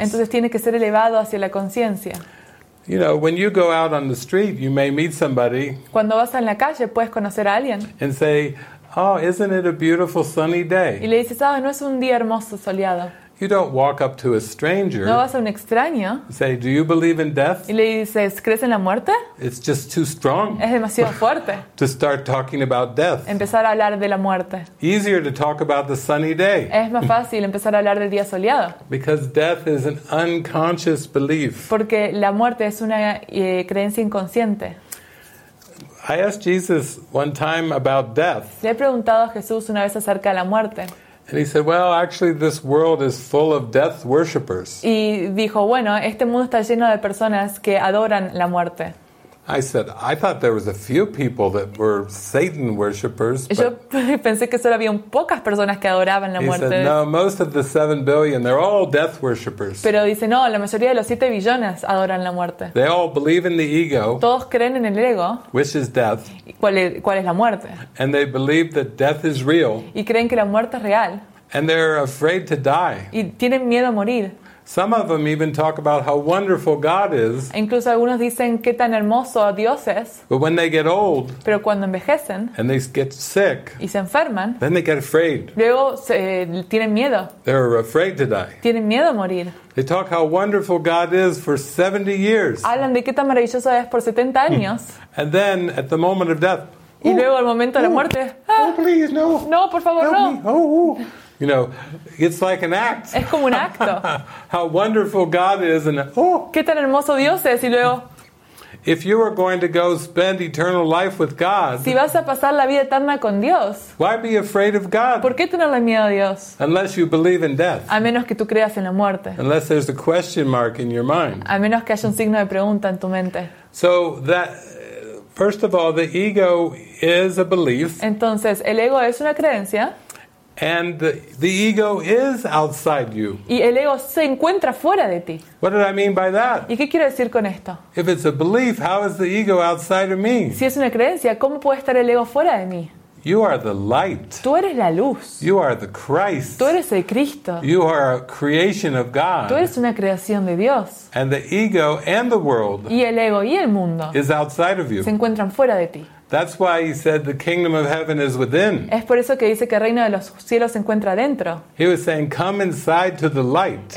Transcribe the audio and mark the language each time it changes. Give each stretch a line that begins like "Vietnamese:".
Spanish: Entonces tiene que ser elevado hacia la conciencia.
English: You know, when you go out on the street, you may meet somebody.
Spanish: Cuando vas en la calle puedes conocer a alguien.
English: And say, "Oh, isn't it a beautiful sunny day?"
Spanish: Y le dices, "Ah, ¿no es un día hermoso soleado?"
English: You don't walk up to a stranger.
Spanish: No vas a un extraño.
English: Say, do you believe in death?
Spanish: Y le dices, ¿crees en la muerte?
English: It's just too strong.
Spanish: Es demasiado fuerte.
English: To start talking about death.
Spanish: Empezar a hablar de la muerte.
English: Easier to talk about the sunny day.
Spanish: Es más fácil empezar a hablar del día soleado.
English: Because death is an unconscious belief.
Spanish: Porque la muerte es una creencia inconsciente.
English: I asked Jesus one time about death.
Spanish: Le he preguntado a Jesús una vez acerca de la muerte.
English: And he said, "Well, actually, this world is full of death worshippers."
Spanish: Y dijo, bueno, este mundo está lleno de personas que adoran la muerte.
English: I said, "I thought there was a few people that were Satan worshippers."
Spanish: Yo pensé que solo había pocas personas que adoraban la muerte.
English: He said, "No, most of the 7 billion, they're all death worshippers."
Spanish: Pero dice, no, la mayoría de los 7 billones adoran la muerte.
English: They all believe in the ego.
Spanish: Todos creen en el ego.
English: Which is death.
Spanish: ¿Cuál es la muerte?
English: And they believe that death is real.
Spanish: Y creen que la muerte es real.
English: And they're afraid to die.
Spanish: Y tienen miedo a morir.
English: Some of them even talk about how wonderful God is.
Spanish: Incluso algunos dicen qué tan hermoso Dios es.
English: But when they get old,
Spanish: pero cuando envejecen,
English: and they get sick,
Spanish: y se enferman,
English: then they get afraid.
Spanish: Luego tienen miedo.
English: They're afraid to die.
Spanish: Tienen miedo a morir.
English: They talk how wonderful God is for 70 years.
Spanish: Hablan de qué tan maravilloso es por 70 años.
English: And then at the moment of death,
Spanish: Y luego el momento de la muerte.
English: Oh, please, no.
Spanish: No, por favor,
English: help
Spanish: no.
English: Me. Oh. You know, it's like an act.
Spanish: Es como un acto.
English: How wonderful God is and oh.
Spanish: Qué tan hermoso Dios es y luego
English: if you are going to go spend eternal life with God,
Spanish: si vas a pasar la vida eterna con Dios,
English: why be afraid of God?
Spanish: ¿Por qué tenerle miedo a Dios?
English: Unless you believe in death.
Spanish: A menos que tú creas en la muerte.
English: Unless there's a question mark in your mind.
Spanish: A menos que haya un signo de pregunta en tu mente.
English: So that, first of all, the ego is a belief.
Spanish: Entonces, el ego es una creencia.
English: And the ego is outside you.
Spanish: Y el ego se encuentra fuera de ti.
English: What did I mean by that?
Spanish: ¿Y qué quiero decir con esto?
English: If it's a belief, how is the ego outside of me?
Spanish: Si es una creencia, ¿cómo puede estar el ego fuera de mí?
English: You are the light.
Spanish: Tú eres la luz.
English: You are the Christ.
Spanish: Tú eres el Cristo.
English: You are a creation of God.
Spanish: Tú eres una creación de Dios.
English: And the ego and the world.
Spanish: Y el ego y el mundo.
English: Is outside of you.
Spanish: Se encuentran fuera de ti.
English: That's why he said the kingdom of heaven is within.
Spanish: Es por eso que dice que el reino de los cielos se encuentra adentro.
English: He was saying, come inside to the light.